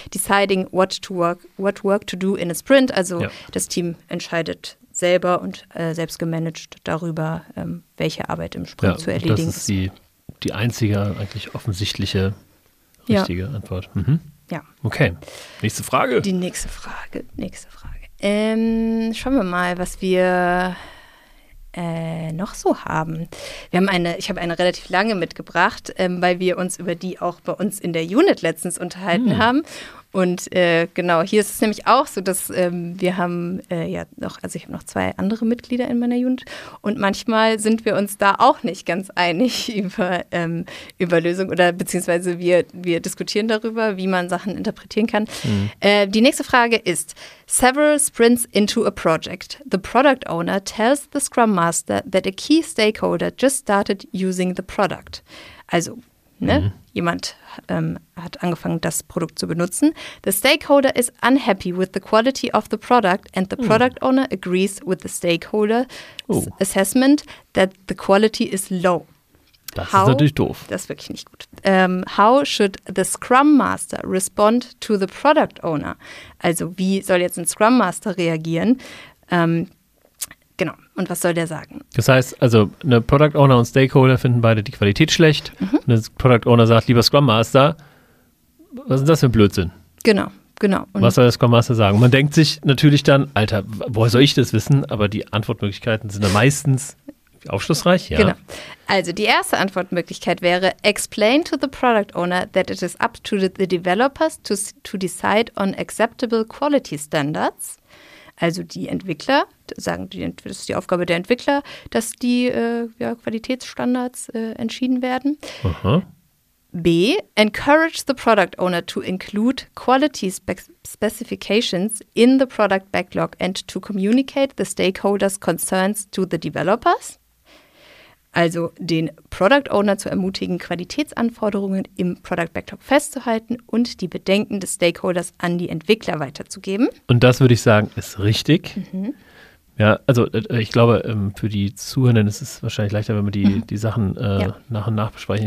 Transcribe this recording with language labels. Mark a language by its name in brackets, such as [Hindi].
[English] Deciding what work to do in a sprint. [German] Also das Team entscheidet selber und selbst gemanagt darüber, welche Arbeit im Sprint zu erledigen ist. Das ist die einzige eigentlich offensichtliche richtige Antwort. Okay. Nächste Frage. Die nächste Frage. Schauen wir mal, was wir noch so haben. Ich habe eine relativ lange mitgebracht, weil wir uns über die auch bei uns in der Unit letztens unterhalten haben. Und genau, hier ist es nämlich auch so, dass wir haben ich habe noch zwei andere Mitglieder in meiner Unit und manchmal sind wir uns da auch nicht ganz einig über Lösungen oder beziehungsweise wir diskutieren darüber, wie man Sachen interpretieren kann. Die nächste Frage ist, [English] several sprints into a project. The product owner tells the Scrum Master that a key stakeholder just started using the product. [German] Also, ne? Jemand hat angefangen, das Produkt zu benutzen. [English] The stakeholder is unhappy with the quality of the product and the product owner agrees with the stakeholder's assessment that the quality is low. [German] Das ist natürlich doof. Das ist wirklich nicht gut. [English] How should the Scrum Master respond to the product owner? [German] Also wie soll jetzt ein Scrum Master reagieren? Genau. Und was soll der sagen? Das heißt, also eine Product Owner und Stakeholder finden beide die Qualität schlecht. Mhm. Eine Product Owner sagt, lieber Scrum Master, was ist das für ein Blödsinn? Genau. Und was soll der Scrum Master sagen? Man denkt sich natürlich dann, Alter, woher soll ich das wissen? Aber die Antwortmöglichkeiten sind dann meistens Aufschlussreich, ja. Genau. Also die erste Antwortmöglichkeit wäre, [English] explain to the product owner that it is up to the developers to decide on acceptable quality standards. [German] Also die Entwickler, sagen, das ist die Aufgabe der Entwickler, dass die Qualitätsstandards entschieden werden. Aha. [English] B, encourage the product owner to include quality specifications in the product backlog and to communicate the stakeholders' concerns to the developers. [German] Also den Product Owner zu ermutigen, Qualitätsanforderungen im Product Backlog festzuhalten und die Bedenken des Stakeholders an die Entwickler weiterzugeben. Und das würde ich sagen, ist richtig. Mhm. Ja, also ich glaube, für die Zuhörenden ist es wahrscheinlich leichter, wenn wir die Sachen nach und nach besprechen.